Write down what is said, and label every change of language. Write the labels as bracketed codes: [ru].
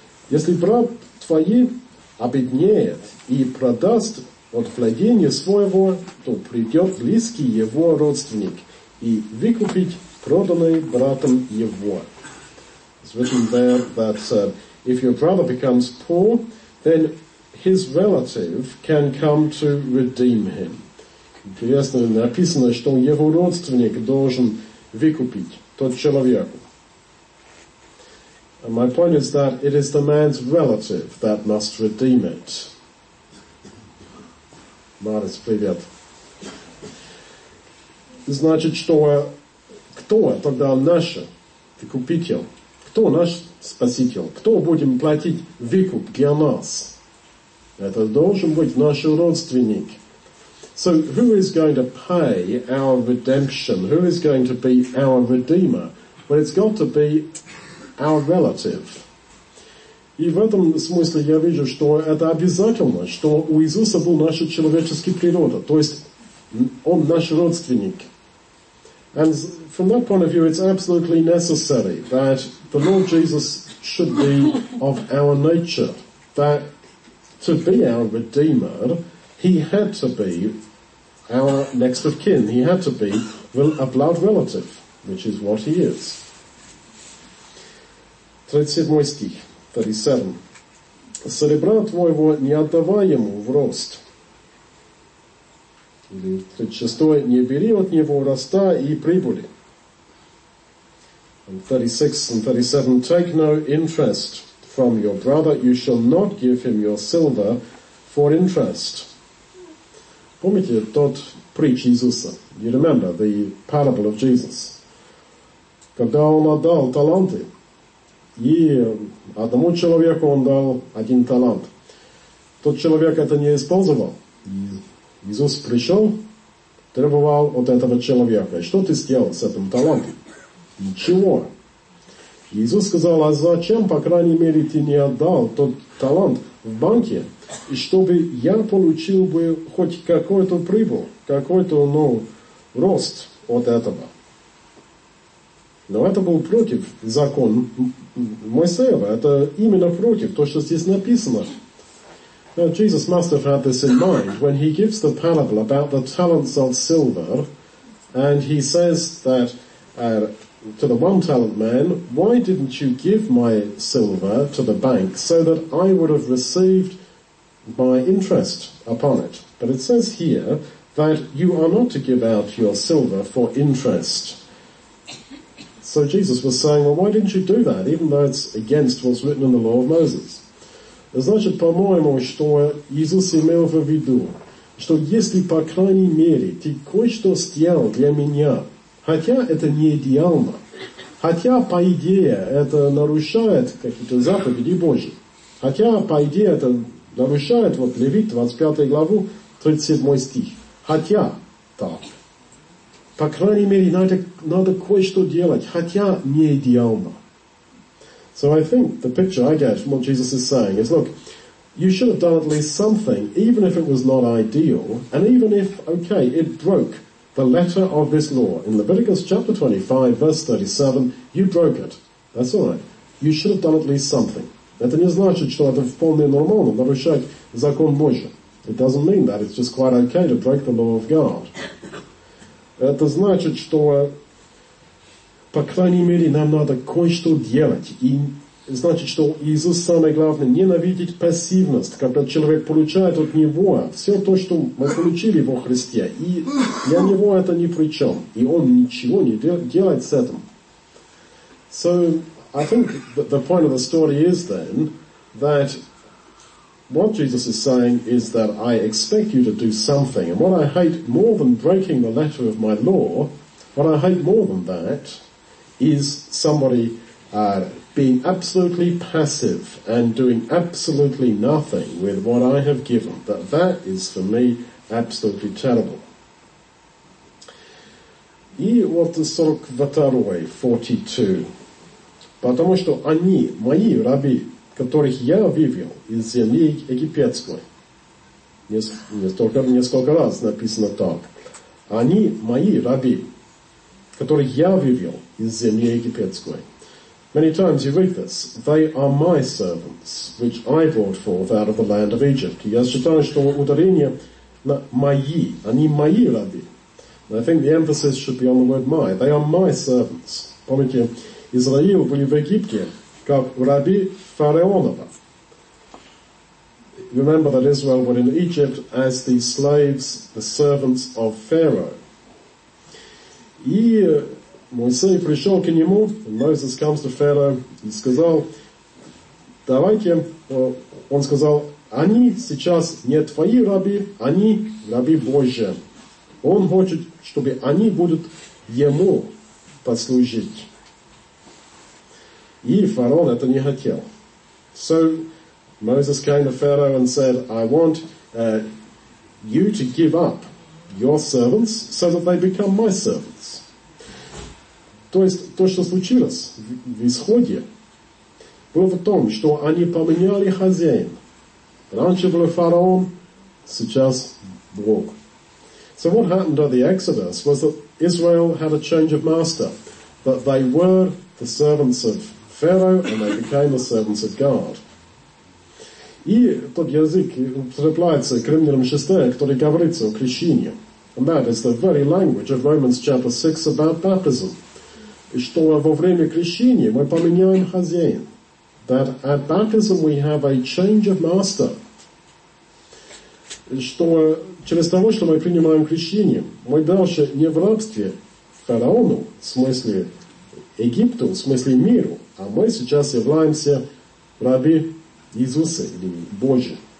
[ru] Если брат твой обеднеет и продаст от владения своего, то придет близкий его родственник и выкупит проданный братом его. [en] It's written there that if your brother becomes poor, then his relative can come to redeem him. [ru] Интересно написано, что его родственник должен выкупить тот человек. [en] And my point is that it is the man's relative that must redeem it. [ru] Марис, привет. Значит, что кто тогда наш выкупитель? Кто наш спаситель? Кто будем платить выкуп для нас? Это должен быть наш родственник. [en] So who is going to pay our redemption? Who is going to be our redeemer? Well, it's got to be our relative. И в этом смысле я вижу, что это обязательно, что у Иисуса был наша человеческая природа, то есть он наш родственник. And from that point of view, it's absolutely necessary that the Lord Jesus should be of our nature, that to be our redeemer, he had to be our next of kin. He had to be a blood relative, which is what he is. [ru] 37 стих. 37. Серебра твоего не отдавай ему в рост. 36. Не бери от него роста и прибыли. [en] 36 and 37. Take no interest from your brother. You shall not give him your silver for interest. [ru] Помните тот притч Иисуса? [en] You remember the parable of Jesus. [ru] Когда он отдал таланты, и одному человеку он дал один талант. Тот человек это не использовал. Иисус пришел, требовал от этого человека. Что ты сделал с этим талантом? Ничего. Иисус сказал, а зачем, по крайней мере, ты не отдал тот талант в банке, и чтобы я получил бы хоть какой-то прибыль, какой-то, ну, рост от этого. Но это был против закон Моисеева. Это именно против то, что здесь написано. [en] Now, Jesus must have had this in mind when he gives the parable about the talents of silver and he says that to the one talent man, why didn't you give my silver to the bank so that I would have received my interest upon it. But it says here that you are not to give out your silver for interest. So Jesus was saying, well, why didn't you do that, even though it's against what's written in the law of Moses? [ru] Значит, по-моему, что Иисус имел в виду, что если, по крайней мере, ты кое-что сделал для меня, хотя это не идеально, хотя, по идее, это нарушает какие-то заповеди Божьи, хотя, по идее, это нарушает вот Левит, 25 главу, 37 стих, хотя, так, по крайней мере, надо кое-что делать, хотя не идеально. [en] So I think the picture I get from what Jesus is saying is, look, you should have done at least something, even if it was not ideal, and even if, okay, it broke the letter of this law. In Leviticus chapter 25, verse 37, you broke it. That's all right. You should have done at least something. [ru] Это не значит, что это вполне нормально нарушать закон Божий. [en] It doesn't mean that. It's just quite okay to break the law of God. [ru] Это значит, что по крайней мере, нам надо кое-что делать. И значит, что Иисус, самое главное, ненавидеть пассивность, когда человек получает от Него все то, что мы получили во Христе. И для Него это ни при чем. И Он ничего не делает с этим. [en] So, I think the point of the story is then, that what Jesus is saying is that I expect you to do something. And what I hate more than breaking the letter of my law, what I hate more than that, is somebody being absolutely passive and doing absolutely nothing with what I have given. That is, for me, absolutely terrible. [ru] И вот 42, 42. Потому что они, мои рабы, которых я вывел из земли египетской. Несколько раз написано так. Они, мои рабы, которых я вывел из земли египетской. [en] Many times you read this. They are my servants, which I brought forth out of the land of Egypt. [ru] Я считаю, что ударение на мои. Они мои рабы. [en] And I think the emphasis should be on the word my. They are my servants. [ru] Помните, Израиль были в Египте как рабы фараонова. [en] Remember that Israel were in Egypt as the slaves, the servants of Pharaoh. [ru] И Моисей пришел к нему, [en] Moses comes to Pharaoh [ru] и сказал, давайте, он сказал, они сейчас не твои рабы, они рабы Божьи. Он хочет, чтобы они будут ему послужить. И фараон это не хотел. [en] So Moses came to Pharaoh and said, I want you to give up your servants so that they become my servants. [ru] То есть, то, что случилось в исходе, было в том, что они поменяли хозяин. Раньше был фараон, сейчас Бог. [en] So what happened at the Exodus was that Israel had a change of master. That they were the servants of Pharaoh and they became the servants of God. [ru] И тот язык употребляется к римлянам 6, который говорится о крещении. [en] And that is the very language of Romans chapter 6 about baptism. [ru] Что во время крещения мы поменяем хозяин. [en] That at baptism we have a change of master. [ru] Что через того, что мы принимаем крещение, мы дальше не в рабстве фараону, в смысле Египту, в смысле миру, а мы сейчас являемся рабы Иисуса, или Божьи.